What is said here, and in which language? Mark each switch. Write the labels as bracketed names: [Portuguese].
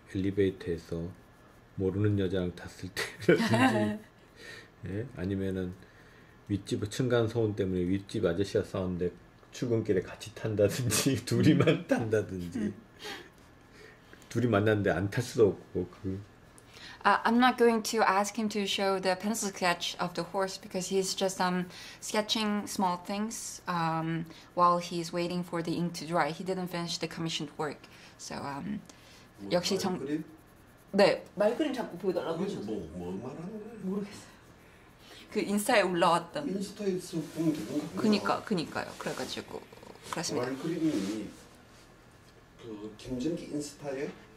[Korean] 엘리베이터에서 모르는 여자랑 탔을 때라든지 예? 아니면은 윗집 층간 소음 때문에 윗집 아저씨와 싸웠는데 출근길에 같이 탄다든지 둘이만 탄다든지 둘이 만났는데 안 탈 수도 없고 그. [English] I'm not going to ask him to show the pencil sketch of the horse because he's just sketching small things while he's waiting for the ink to dry. He didn't finish the commissioned work. So, [Korean] 뭐, 역시 정... 말그림? 네, 말그림 자꾸 보여달라고 하셨어요. 뭐 말하는 거예요? 모르겠어요. 그 인스타에 올라왔던... 인스타에 있어 보면 되는 거 그니까요. 그래가지고... 그렇습니다. 말그림이 그 김정기 인스타에?